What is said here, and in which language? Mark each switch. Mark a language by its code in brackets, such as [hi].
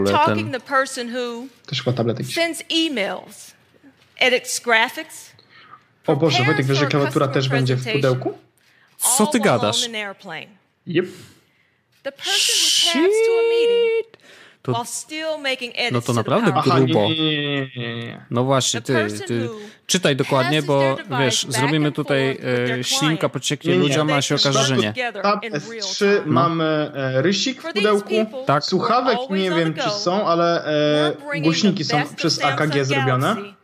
[en] We're talking the person who sends emails, edits graphics. [pl] O Boże, Wojtek, wiesz, że klawiatura też będzie w pudełku? Co ty gadasz? [en] Yep. The person who tends to a meeting while still making edits. [pl] No to naprawdę grubo. No właśnie, ty czytaj dokładnie, bo wiesz, zrobimy tutaj ślinka, pocieknie ludziom, a się okaże, że nie. Tab S3, mamy rysik w pudełku, tak. Słuchawek nie wiem, czy są, ale głośniki są przez AKG zrobione.